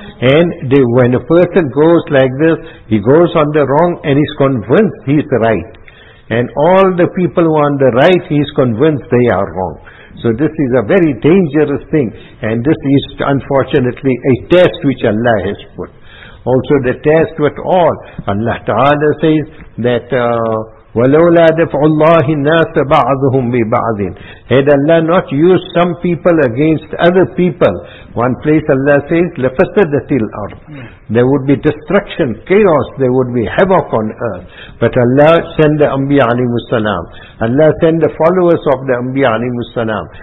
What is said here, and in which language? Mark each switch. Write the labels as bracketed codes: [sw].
[en] And they, when a person goes like this, he goes on the wrong and is convinced he is right. And all the people who are on the right, he is convinced they are wrong. So this is a very dangerous thing. And this is unfortunately a test which Allah has put. Also the test with all. Allah Ta'ala says that [ar] وَلَوْلَا دَفْعُ اللَّهِ النَّاسَ بَعْضُهُمْ بِبَعْضٍ. [en] Had Allah not used some people against other people, one place Allah says, [ar] لَفَسَدَتِ الْأَرْضِ. [en] There would be destruction, chaos, there would be havoc on earth. But Allah sent the Anbiya alayhimus salam. Allah sent the followers of the Anbiya alayhimus salam.